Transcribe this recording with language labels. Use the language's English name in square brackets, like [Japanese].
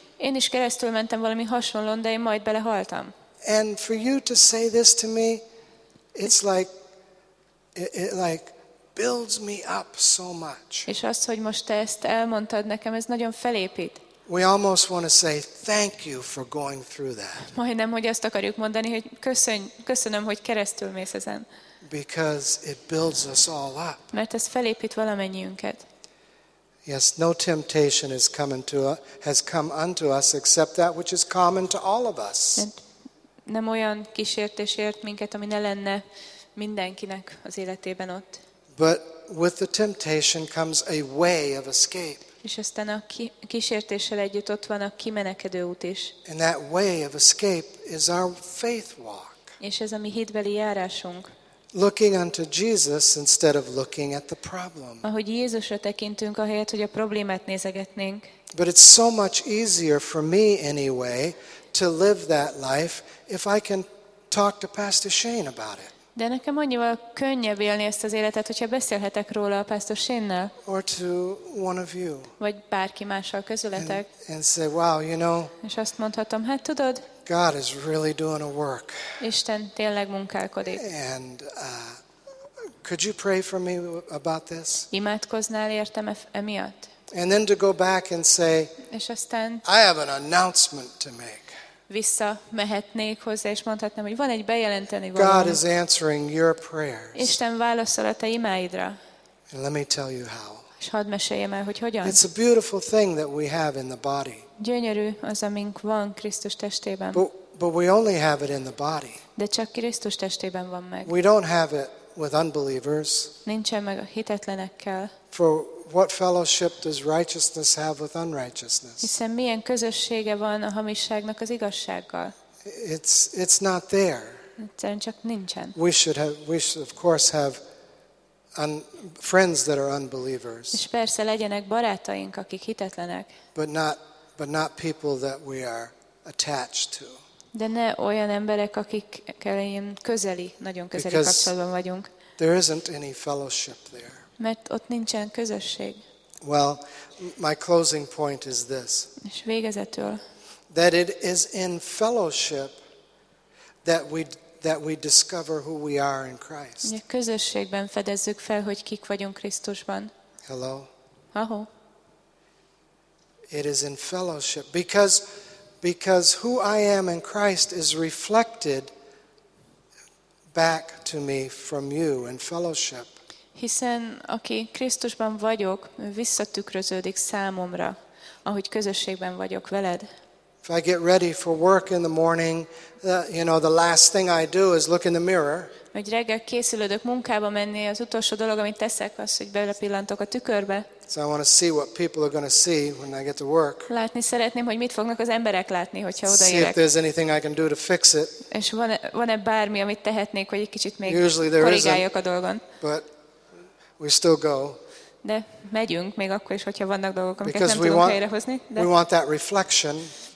[Hungarian] Én is keresztül mentem valami hasonlón, de én majd belehaltam. [English] And for you to say this to me, it's like it like builds me up so much. [Hungarian] És azt, hogy most te ezt elmondtad nekem, ez nagyon felépít. [English] We almost want to say thank you for going through that. [Hungarian] Majdnem, hogy azt akarjuk mondani, hogy köszönöm, hogy keresztül mész ezen. [English] Because it builds us all up. [Hungarian] Mert ez felépít valamennyiünket. [English] Yes, no temptation has come unto us except that which is common to all of us. [Hungarian] Nem olyan kísértés ért minket, ami ne lenne mindenkinek az életében ott. [English] But with the temptation comes a way of escape. [Hungarian] És aztán a kísértéssel együtt ott van a kimenekedő út is. [English] And that way of escape is our faith walk. [Hungarian] És ez a mi hitbeli járásunk. [English] Looking unto Jesus instead of looking at the problem. [Hungarian] Ahogy Jézusra tekintünk, ahelyett, hogy a problémát nézegetnénk. [English] But it's so much easier for me anyway to live that life if I can talk to Pastor Shane about it. [Hungarian] De nekem annyival könnyebb élni ezt az életet, hogyha beszélhetek róla a Pastor Shane-nel. [English] Or to one of you. [Hungarian] Vagy bárki mással közületek. [English] And say, wow, you know. [Hungarian] És azt mondhatom, hát tudod. [English] God is really doing a work. [Hungarian] Isten tényleg munkálkodik. [English] And could you pray for me about this? [Hungarian] Imádkoznál értem emiatt? [English] And then to go back and say, [Hungarian] és aztán, [English] I have an announcement to make. [Hungarian] Visszamehetnék hozzá, és mondhatnám, hogy van egy bejelenteni valami. [English] God is answering your prayers. [Hungarian] Isten válaszol a te imáidra. [English] And let me tell you how. [Hungarian] És hadd meséljem el, hogy hogyan. [English] It's a beautiful thing that we have in the body. [Hungarian] Gyönyörű az, amink van Krisztus testében. [English] But we only have it in the body. [Hungarian] De csak Krisztus testében van meg. [English] We don't have it with unbelievers. [Hungarian] Nincsen meg a hitetlenekkel. [English] For what fellowship does righteousness have with unrighteousness? [Hungarian] Hiszen milyen közössége van a hamisságnak az igazsággal? [English] It's not there. [Hungarian] Egyszerűen csak nincsen. [English] We should of course have friends that are unbelievers. [Hungarian] És persze legyenek barátaink, akik hitetlenek. [English] But not people that we are attached to. [Hungarian] De ne olyan emberek, akikkel én közeli, nagyon közeli kapcsolatban vagyunk. [English] There isn't any fellowship there. [Hungarian] Mert ott nincsen közösség. [English] Well, my closing point is this. [Hungarian] És végezetül. [English] That it is in fellowship that we discover who we are in Christ. [Hungarian] A közösségben fedezzük fel, hogy kik vagyunk Krisztusban. [English] Hello. Aho. It is in fellowship because who I am in Christ is reflected back to me from you in fellowship. [Hungarian] Hiszen aki Krisztusban vagyok, visszatükröződik számomra, ahogy közösségben vagyok veled. [English] If I get ready for work in the morning, the last thing I do is look in the mirror. [Hungarian] Hogy reggel készülök munkába menni, az utolsó dolog, amit teszek, az, hogy belepillantok a tükörbe. [English] So I want to see what people are going to see when I get to work. [Hungarian] Látni szeretném, hogy mit fognak az emberek látni, hogyha odaérek. [English] See if there's anything I can do to fix it. [Hungarian] És van-e bármi, amit tehetnék, hogy egy kicsit még korrigáljak a dolgon. [English] But we still go. [Hungarian] De megyünk még akkor is, hogyha vannak dolgok, amiket nem tudunk helyrehozni. [English] We want that reflection.